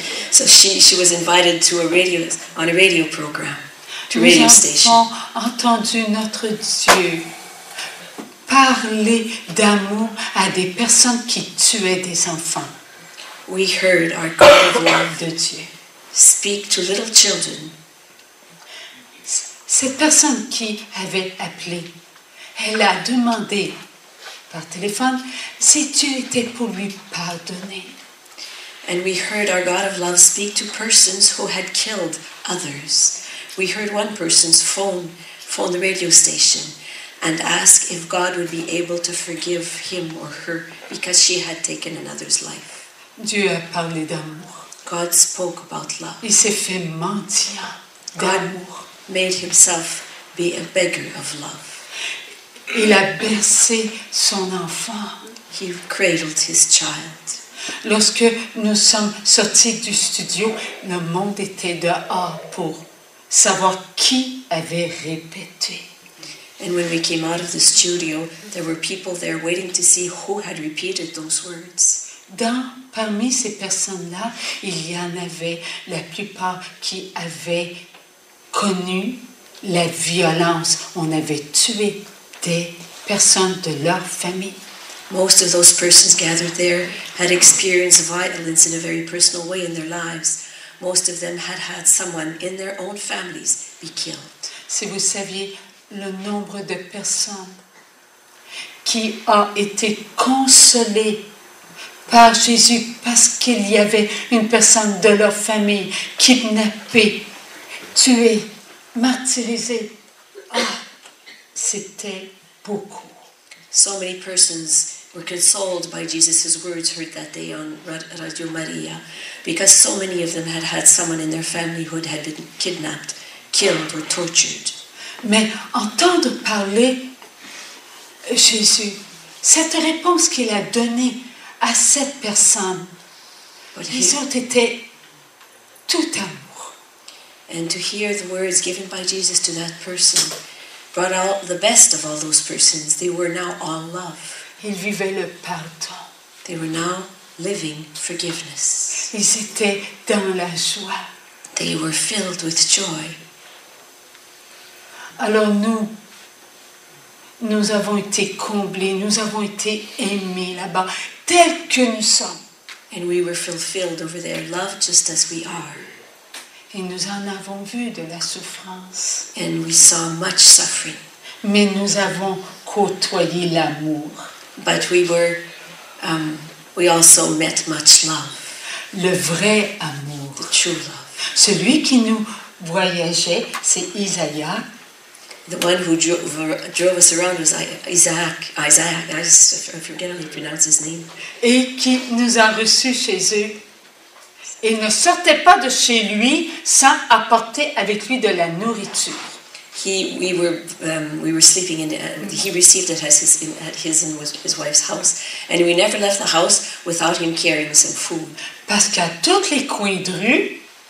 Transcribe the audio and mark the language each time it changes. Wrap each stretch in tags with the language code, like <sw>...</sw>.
<en>So she was invited to a radio on a radio program to radio station.</en> <fr>Nous avons entendu notre Dieu parler d'amour à des personnes qui tuaient des enfants.</fr> <en>We heard our God of love</en> <fr>de Dieu</fr> <en>speak to little children.</en> <fr>Cette personne qui avait appelé, elle a demandé par téléphone, si tu étais pour lui pardonner.</fr> <en>And we heard our God of love speak to persons who had killed others. We heard one person's phone, the radio station, and ask if God would be able to forgive him or her because she had taken another's life.</en> <fr>Dieu a parlé d'amour.</fr> <en>God spoke about love.</en> <fr>Il s'est fait mendiant d'amour.</fr> <en>God made himself be a beggar of love.</en> <fr>Il a bercé son enfant.</fr> <en>He cradled his child.</en> <fr>Lorsque nous sommes sortis du studio, le monde était dehors pour savoir qui avait répété.</fr> <en>And when we came out of the studio, there were people there waiting to see who had repeated those words.</en> <fr>Parmi ces personnes-là, il y en avait la plupart qui avaient connu la violence. On avait tué des personnes de leur famille.</fr> <en>Most of those persons gathered there had experienced violence in a very personal way in their lives. Most of them had had someone in their own families be killed.</en> <fr>Si vous saviez le nombre de personnes qui a été consolée par Jésus parce qu'il y avait une personne de leur famille kidnappée, tuée, martyrisée, oh, c'était beaucoup.</fr> <en>So many persons were consoled by Jesus' words heard that day on Radio Maria because so many of them had had someone in their family who had been kidnapped, killed or tortured.</en> <fr>Mais entendre parler Jésus, cette réponse qu'il a donnée à cette personne, ils ont été tout amour.</fr> <en>And to hear the words given by Jesus to that person brought out the best of all those persons. They were now all love.</en> <fr>Ils vivaient le pardon.</fr> <en>They were now living forgiveness.</en> <fr>Ils étaient dans la joie.</fr> <en>They were filled with joy.</en> <fr>Alors nous avons été comblés, nous avons été aimés là-bas, tel que nous sommes.</fr> <en>And we were fulfilled over there, loved just as we are.</en> <fr>Et nous en avons vu de la souffrance.</fr> <en>And we saw much suffering.</en> <fr>Mais nous avons côtoyé l'amour.</fr> <en>But we also met much love.</en> <fr>Le vrai amour.</fr> <en>The true love.</en> <fr>Celui qui nous voyageait, c'est Isaiah.</fr> <en>The one who drove us around was Isaac, I forget how he pronounced his name.</en> <fr>Et qui nous a reçus chez eux. Il ne sortait pas de chez lui sans apporter avec lui de la nourriture.</fr> <en>We were sleeping in, he received it at his wife's house, and we never left the house without him carrying some food.</en> <fr>Parce qu'à toutes les coins de rue,</fr>